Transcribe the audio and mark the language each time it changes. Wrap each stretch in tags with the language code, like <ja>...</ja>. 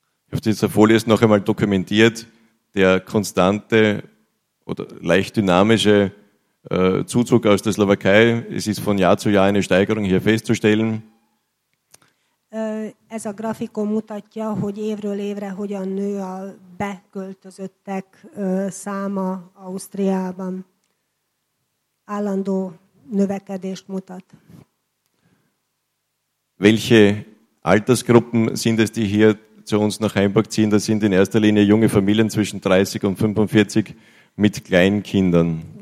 <de>Auf dieser Folie ist noch einmal dokumentiert der konstante oder leicht dynamische Zuzug aus der Slowakei. Es ist von Jahr zu Jahr eine Steigerung hier festzustellen.</de> <hu>Ez a grafikon mutatja, hogy évről évre hogyan nő a beköltözöttek száma Ausztriában. Állandó növekedést mutat.</hu> <de>Welche Altersgruppen sind es, die hier zu uns nach Heimburg ziehen? Das sind in erster Linie junge Familien zwischen 30 und 45 mit kleinen Kindern.</de>